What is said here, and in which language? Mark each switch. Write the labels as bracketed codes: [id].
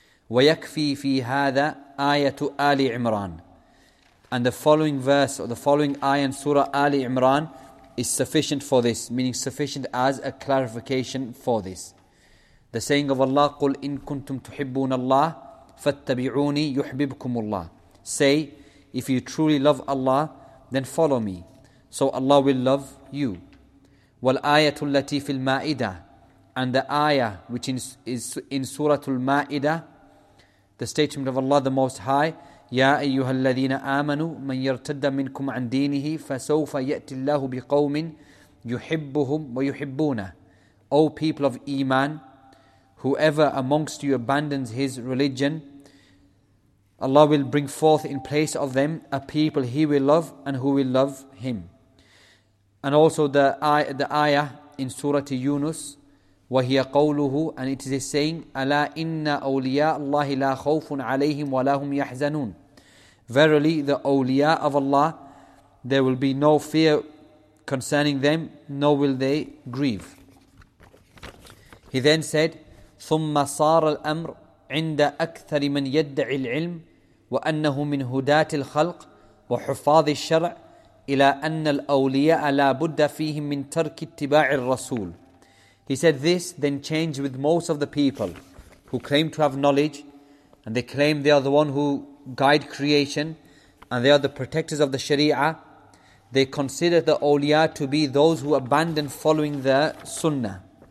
[ar] وَيَكْفِي فِي هَذَا آيَةُ آلِ عِمْرَانِ, [en] and the following verse or the following ayah in Surah Ali Imran is sufficient for this, meaning sufficient as a clarification for this. The saying of Allah, [ar] قُلْ إِن كُنْتُمْ تُحِبُّونَ اللَّهِ فَاتَّبِعُونِي يُحْبِبْكُمُ اللَّهِ, [en] say, if you truly love Allah, then follow me, so Allah will love you. [ar] وَالْآيَةُ الَّتِي فِي الْمَائِدَةِ, [en] and the ayah which is in Surah Al-Ma'idah, the statement of Allah the Most High, [ar] يَا أَيُّهَا الَّذِينَ آمَنُوا مَنْ يَرْتَدَّ مِنْكُمْ عَنْ دِينِهِ فَسَوْفَ يَأْتِ اللَّهُ بِقَوْمٍ يُحِبُّهُمْ وَيُحِبُّونَهُ. [en] O people of Iman, whoever amongst you abandons his religion, Allah will bring forth in place of them a people he will love and who will love him. And also the ayah in Surah Yunus, [ar] وَهِيَ قَوْلُهُ, [en] and it is his saying, [ar] أَلَا إِنَّ أَوْلِيَاءَ اللَّهِ لَا خَوْفٌ عَلَيْهِمْ وَلَا هُمْ يَحْزَنُونَ. [en] Verily, the awliya of Allah, there will be no fear concerning them, nor will they grieve. He then said, [ar] ثُمَّ صَارَ الْأَمْرُ عند أكثر من يدعي العلم وأنه من هداة الخلق وحفاظ الشرع إلى أن الأولياء لا بد فيهم من ترك اتباع الرسول. [en] He said this then changed with most of the people who claim to have knowledge, and they claim they are the one who guide creation and they are the protectors of the Sharia. They consider the awliya to be those who abandon following the sunnah.